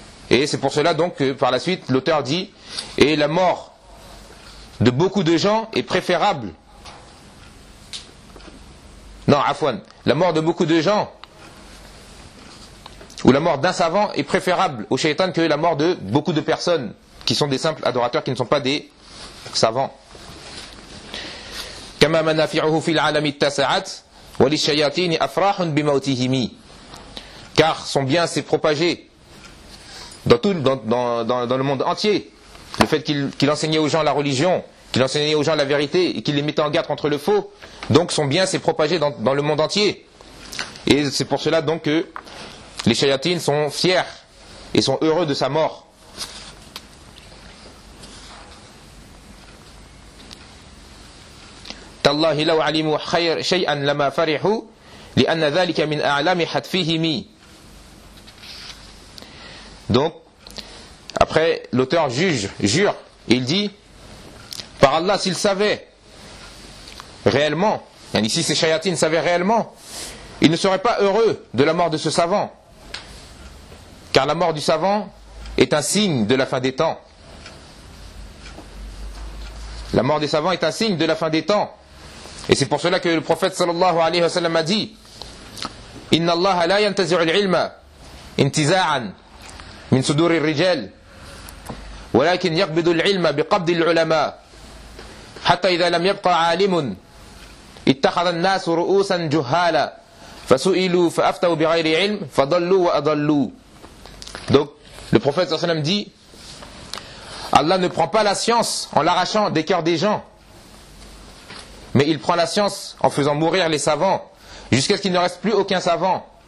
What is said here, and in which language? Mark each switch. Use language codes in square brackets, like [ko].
[fr] Et c'est pour cela donc que par la suite l'auteur dit et la mort de beaucoup de gens est préférable. Non, Afwan, la mort de beaucoup de gens ou la mort d'un savant est préférable au shaitan que la mort de beaucoup de personnes qui sont des simples adorateurs qui ne sont pas des savants. [ar] كما منافعه في العالم اتسعت وللشياطين أفراح بموتهم. [fr] Car son bien s'est propagé dans le monde entier. Le fait qu'il enseignait aux gens la religion, qu'il enseignait aux gens la vérité et qu'il les mettait en garde contre le faux, donc son bien s'est propagé dans le monde entier. Et c'est pour cela donc que les shayatines sont fiers et sont heureux de sa mort. [ar] تَاللَّهِ لَوْ عَلِمُوا شَيْئًا لَمَا فَرِحُوا لِأَنَّ ذَلِكَ مِنْ أَعْلَمِ حَتْفِهِمِ. [fr] Donc, après, l'auteur jure, et il dit, par Allah, s'ils savaient réellement, ici ces shayatines savaient réellement, ils ne seraient pas heureux de la mort de ce savant. Car la mort du savant est un signe de la fin des temps. La mort des savants est un signe de la fin des temps. Et c'est pour cela que le prophète sallallahu alayhi wa sallam a dit, [ar] إِنَّ اللَّهَ لَا يَنْتَزِعُ الْعِلْمَ انْتِزَاعًا من صدور الرجال ولكن يقبض العلم بقبض العلماء حتى إذا لم يبقى عالم اتخذ الناس رؤوسا جهالا فسئلوا فأفتوا بغير علم فضلوا وأضلوا. [fr] Donc le prophète sallam dit, Allah ne prend pas la science en l'arrachant des cœurs des gens, mais il prend la science en faisant mourir les savants jusqu'à ce qu'il ne reste plus aucun savant.